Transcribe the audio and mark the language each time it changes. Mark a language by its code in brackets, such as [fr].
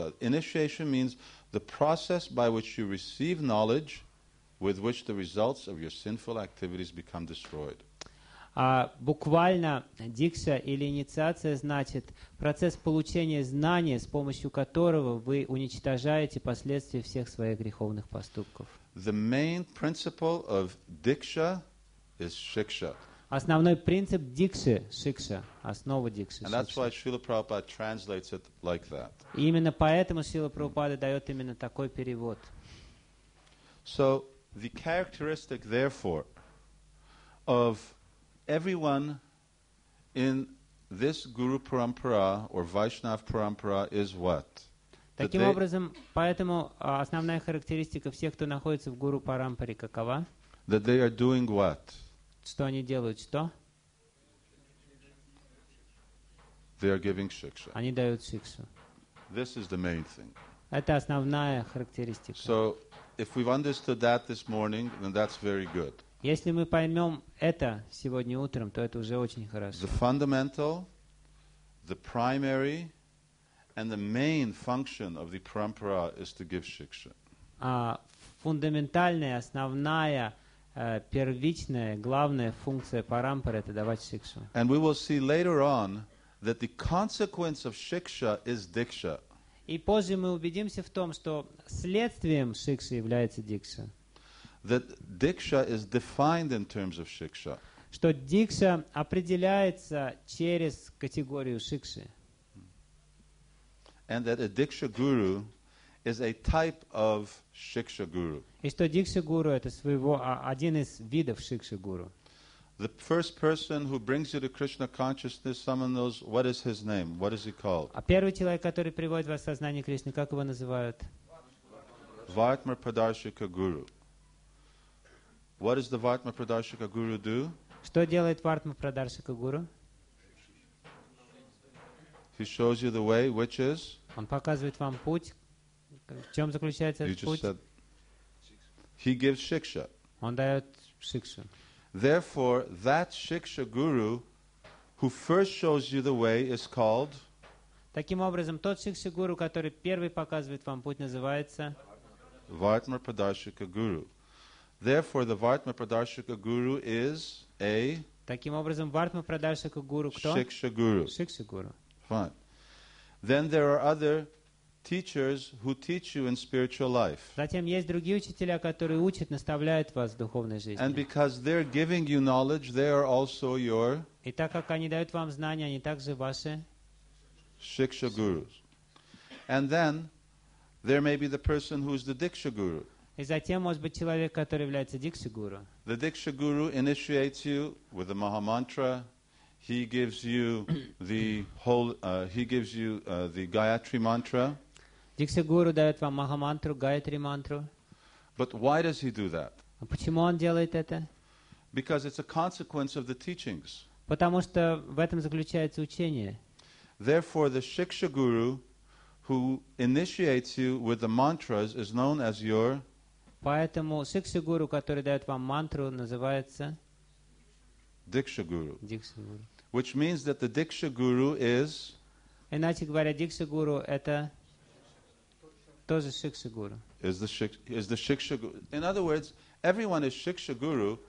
[en] Initiation means the process by which you receive knowledge with which the results of your sinful activities become destroyed. [ru] Буквально дикша или инициация значит процесс получения знания, с помощью которого вы уничтожаете последствия всех своих греховных поступков. [en] The main principle of diksha is shiksha. [ru] Основной принцип дикши – шикша, основа дикши. [en] And that's why Srila Prabhupada translates it like that. [ru] И именно поэтому Srila Prabhupada дает именно такой перевод. [en] So, the characteristic, therefore, of everyone in this Guru Parampara or Vaishnav Parampara is what? [ru] Таким образом, поэтому основная характеристика всех, кто находится в Гуру Парампаре, какова? [en] That they are doing what? [ru] Что они делают? Что? [en] They are giving shiksha. [ru] Они дают шикшу. [en] This is the main thing. [ru] Это основная характеристика. [en] So, if we've understood that this morning, then that's very good. [ru] Если мы поймем это сегодня утром, то это уже очень хорошо. [en] The fundamental, the primary, and the main function of the parampara is to give shiksha. [ru] Фундаментальная, основная, первичная, главная функция парампары — это давать шикшу. [en] And we will see later on that the consequence of shiksha is diksha. [ru] И позже мы убедимся в том, что следствием шикши является дикша. [en] That diksha is defined in terms of shiksha. [ru] Что дикша определяется через категорию шикши. [en] And that a diksha guru is a type of shiksha guru. [ru] И что дикша гуру — это своего один из видов шикши гуру. [en] The first person who brings you to Krishna consciousness, someone knows what is his name, what is he called? [ru] А первый человек, который приводит вас в сознание Кришны, как его называют? [en] Vartma Pradarshika Guru. What does the Vartma Pradarshika Guru do? [ru] Что делает Vartma Pradarshika Guru? [en] He shows you the way, which is? [ru] Он показывает вам путь. В чем заключается этот путь? [en] Said, he gives shiksha. [ru] Он дает шикшу. [en] Therefore, that shiksha guru who first shows you the way is called? [ru] Таким образом, тот шикша гуру, который первый показывает вам путь, называется? [en] Vartma Pradarshika Guru. Therefore, the Vartma Pradarshika Guru is a? [ru] Таким образом, Vartma Pradarshika Guru кто? [en] Shiksha guru. Shiksha guru. Fine. Then there are other teachers who teach you in spiritual life. [ru] Затем есть другие учителя, которые учат, наставляют вас в духовной жизни. [en] And because they're giving you knowledge, they are also your. [ru] И так как они дают вам знания, они также ваши. [en] Shiksha gurus. And then there may be the person who is the diksha guru. [ru] И затем может быть человек, который является дикша гуру. [en] The diksha guru initiates you with the maha mantra. He gives you the whole. He gives you the Gayatri mantra. [ru] Дикша гуру дает вам махамантру, Гаятри мантру. [en] But why does he do that? [ru] Почему он делает это? [en] Because it's a consequence of the teachings. [ru] Потому что в этом заключается учение. [en] Therefore, the shiksha guru, who initiates you with the mantras, is known as your. [ru] Поэтому шикша гуру, который дает вам мантру, называется. [en] Diksha guru. Diksha guru. Which means that the diksha guru is. [ru] Иначе говоря, дикша гуру — это тоже шикша гуру. [en] Is the shiksha guru. In other words, everyone is shiksha guru.